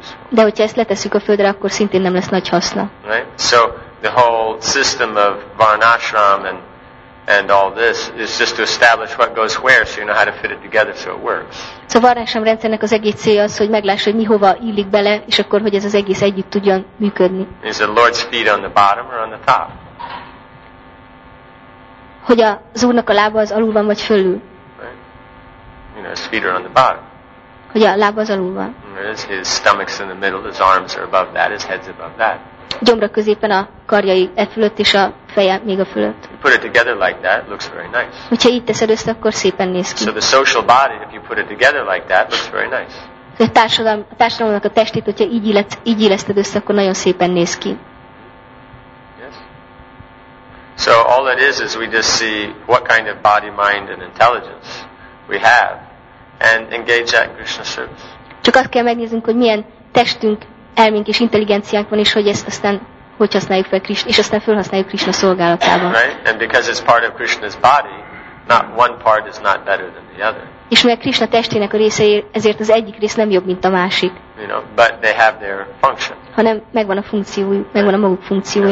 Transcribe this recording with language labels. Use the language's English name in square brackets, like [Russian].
[Hungarian] De hogyha ezt letesszük a földre, akkor szintén nem lesz nagy haszna. [English] Right? So the whole system of varnashram and all this is just to establish what goes where, so you know how to fit it together, so it works. [Hungarian] So varnashram rendszernek az egész célja az, hogy meglássa, hogy mi hova illik bele, és akkor hogy ez az egész együtt tudjon működni. [English] Is the Lord's feet on the bottom or on the top? [Hungarian] Hogy az Úrnak a lába az alul van vagy fölül? [English] Right. You know, his feet are on the bottom. [Hungarian] Hogy a lába az alul van? [English] His stomach's in the middle, his arms are above that, his head's above that. [Hungarian] Gyomra középen a karjai e fölött és a feje még a fölött. [English] You put it together like that, looks very nice. [Hungarian] Hogyha így teszed össze, akkor szépen néz ki. [English] So the social body, if you put it together like that, looks very nice. [Hungarian] A társadalomnak a testét, hogyha így illeszted össze, akkor nagyon szépen néz ki. [English] Yes. So all it is we just see what kind of body, mind and intelligence we have and engage that in Krishna service. [Hungarian] Csak azt kell megnéznünk, hogy milyen testünk, elménk és intelligenciánk van, és hogy ezt aztán hogy használjuk fel Krishna, és aztán felhasználjuk Krishna szolgálatában. [English] Right? And because it's part of Krishna's body, not one part is not better than the other. [Hungarian] És mert Krishna testének a része, ezért az egyik rész nem jobb, mint a másik. [English] You know, but they have their function. [Hungarian] Hanem megvan a funkciójuk, megvan a maguk funkciója.